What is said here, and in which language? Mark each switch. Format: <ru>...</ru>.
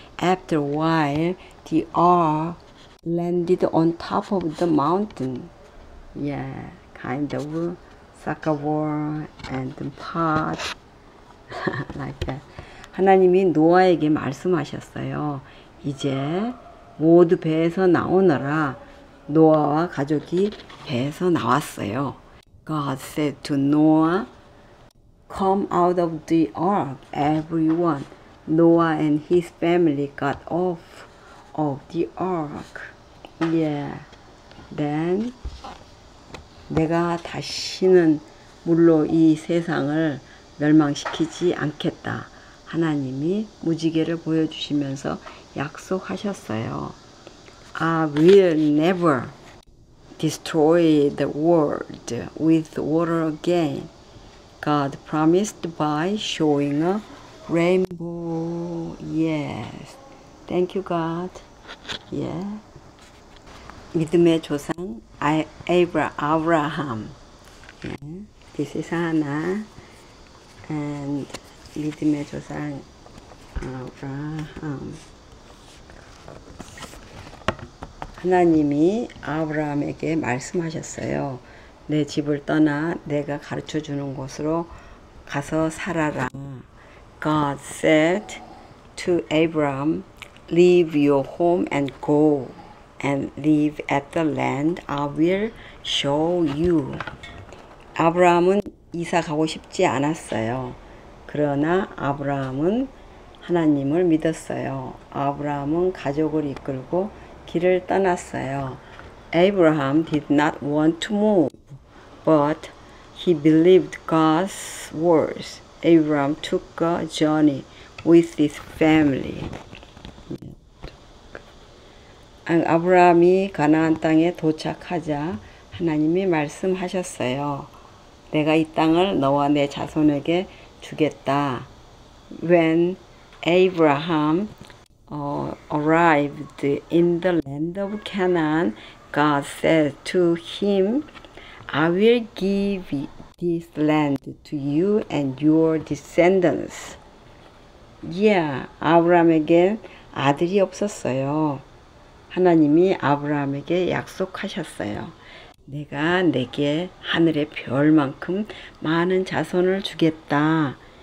<en>After a while, the ark landed on top of the mountain. Yeah, kind of sack of wool and pot like that.</en> <ko>하나님이 노아에게 말씀하셨어요. 이제 모두 배에서 나오너라. 노아와 가족이 배에서 나왔어요.</ko> <en>God said to Noah, come out of the ark, everyone. Noah and his family got off of the ark. Yeah.</en> <ko>Then, 내가 다시는 물로 이 세상을 멸망시키지 않겠다. 하나님이 무지개를 보여주시면서 약속하셨어요.</ko> <en>I will never destroy the world with water again. God promised by showing a rainbow. Yes. Thank you, God. Yeah.</en> <ko>믿음의 조상 아브라함. Yeah.</ko> <en>This is Anna. And</en> <ko>믿음의 조상 아브라함. 하나님이 아브라함에게 말씀하셨어요. 내 집을 떠나 내가 가르쳐주는 곳으로 가서 살아라.</ko> <en>God said to Abraham, leave your home and go and live at the land I will show you.</en> <ko>아브라함은 이사 가고 싶지 않았어요. 그러나 아브라함은 하나님을 믿었어요. 아브라함은 가족을 이끌고 길을 떠났어요.</ko> <en>Abraham did not want to move, but he believed God's words. Abraham took a journey with his family.</en> <ko>아브라함이 가나안 땅에 도착하자 하나님이 말씀하셨어요. 내가 이 땅을 너와 내 자손에게 주겠다.</ko> <en>When Abraham arrived in the land of Canaan, God said to him, I will give this land to you and your descendants. Yeah, Abraham again</en> <ko>아들이 없었어요. 하나님이 아브라함에게 약속하셨어요. 내가 네게 하늘의 별만큼 많은 자손을 주겠다.</ko>